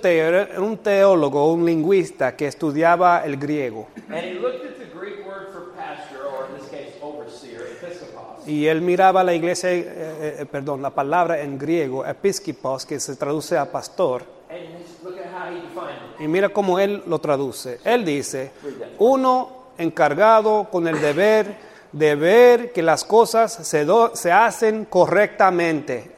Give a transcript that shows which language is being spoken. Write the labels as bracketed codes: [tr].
[es] Thayer era un teólogo, un lingüista que estudiaba el griego. [en] And he looked at the Greek word for pastor, or in this case, overseer, episkopos. [es] Y él miraba la iglesia, la palabra en griego, episkopos, que se traduce a pastor. [en] And look at how he defined it. [es] Y mira cómo él lo traduce. Él dice, uno encargado con el deber de ver que las cosas se hacen correctamente.